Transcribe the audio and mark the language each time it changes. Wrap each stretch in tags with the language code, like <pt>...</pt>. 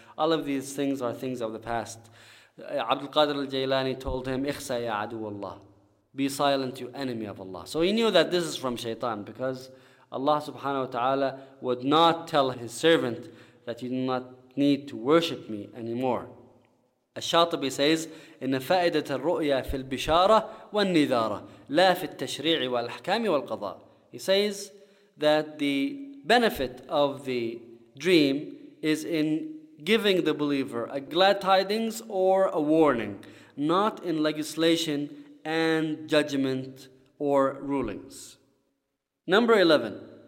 <en>All of these things are things of the past. Abdul Qadir al-Jailani told him,</en> <ar>"Ikhsa ya adu Allah."</ar> <en>Be silent, you enemy of Allah. So he knew that this is from shaitan because Allah subhanahu wa ta'ala would not tell his servant that you do not need to worship me anymore.</en> <ar>الشاطبي says إن فائدة الرؤية في البشارة والنذارة لا في التشريع والأحكام والقضاء.</ar> <en>He says that the benefit of the dream is in giving the believer a glad tidings or a warning, not in legislation and judgment or rulings. Number 11.</en>